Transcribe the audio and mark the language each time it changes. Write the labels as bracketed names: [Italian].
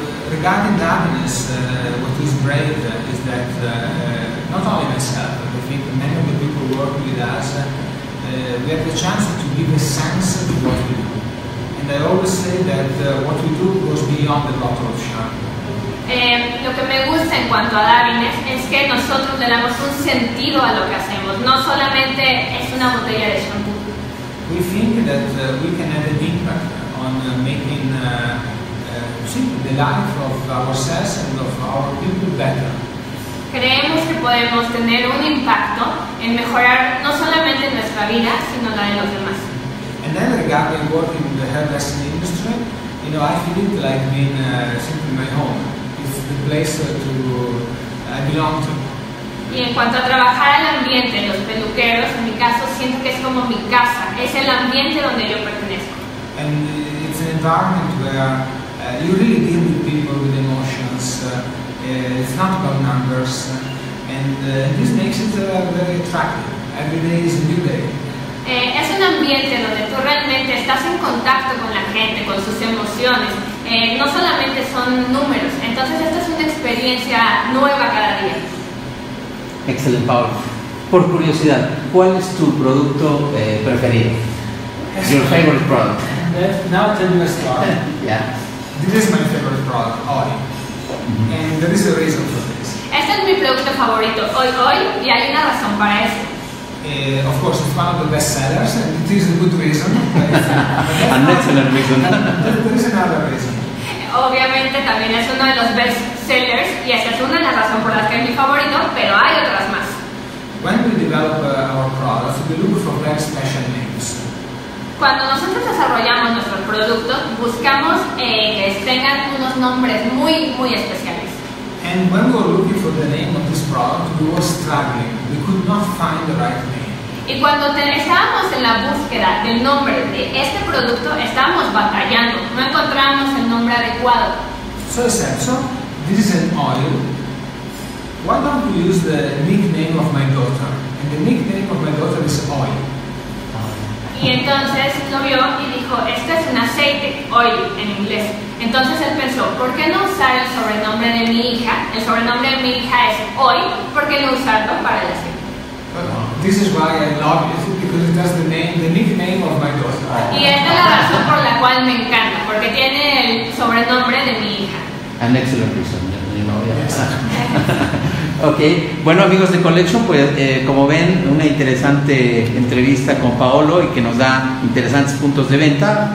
[English] Regarding Davines, what is great is that not only myself, but I think many of the people who work with us, we have the chance to give a sense to what we do. And I always say that what we do goes beyond the bottle of shampoo. [Spanish] Lo que me gusta en cuanto a Davines es que nosotros le damos un sentido a lo que hacemos, no solamente es una botella de shampoo. [English] We think that we can have an impact on making the life of ourselves and of our people better. [Spanish] Creemos que podemos tener un impacto en mejorar no solamente nuestra vida, sino la de los demás. [English] And then regarding working in the hairdressing industry, you know, I feel it like being simply my home. It's the place to I belong to. [Spanish] Y en cuanto a trabajar al ambiente, los peluqueros, en mi caso, siento que es como mi casa. Es el ambiente donde yo pertenezco. [English] And it's an environment where you really deal with people with emotions. It's not about numbers, and this makes it very attractive. Every day is a new day. [Spanish] Es un ambiente donde tú realmente estás en contacto con la gente, con sus emociones. No solamente son números. Entonces esta es una experiencia nueva cada día. Excelente, Paul. Por curiosidad, ¿cuál es tu producto preferido? [English] Your favorite product. Now tell me a story. Yeah. This is my favorite product, Oi. And there is a reason for this. [Spanish] Este es mi producto favorito, Oi, y hay una razón para eso. [English] Of course, it's one of the best sellers, and it is a good reason. An excellent reason. There is another reason. [Spanish] Obviamente, también es uno de los best sellers, y esa es una de las razones por las que es mi favorito, pero hay otras más. [English] When we develop our products, we look for very special names. [Spanish] Cuando nosotros desarrollamos nuestros productos, buscamos que tengan unos nombres muy, muy especiales. [English] And when we were looking for the name of this product, we were struggling. We could not find the right name. [Spanish] Y cuando estábamos en la búsqueda del nombre de este producto, estábamos batallando. No encontrábamos el nombre adecuado. [English] So, Celso, this is an oil. Why don't we use the nickname of my daughter? And the nickname of my daughter is Oil. [Spanish] Y entonces lo vio y dijo, este es un aceite, oil, en inglés. Entonces él pensó, ¿por qué no usar el sobrenombre de mi hija? El sobrenombre de mi hija es Oil, ¿por qué no usarlo para el aceite? [English] This is why I love it, because it has the nickname of my daughter. [Spanish] Y esta es la razón por la cual me encanta, porque tiene el sobrenombre de mi hija. [English] An excellent reason, you know, yeah. [Spanish] Okay, bueno amigos de Collection, pues como ven, una interesante entrevista con Paolo y que nos da interesantes puntos de venta.